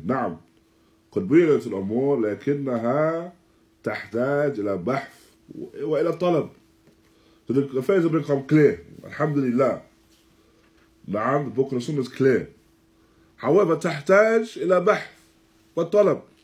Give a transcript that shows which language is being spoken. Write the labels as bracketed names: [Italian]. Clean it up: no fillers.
[Arabic] Now, قد بينت الأمور لكنها تحتاج إلى بحث وإلى طلب. [English] So the affairs have become clear. Alhamdulillah. نعم, the book of the sunnah is clear. [Arabic] However, تحتاج إلى بحث وطلب.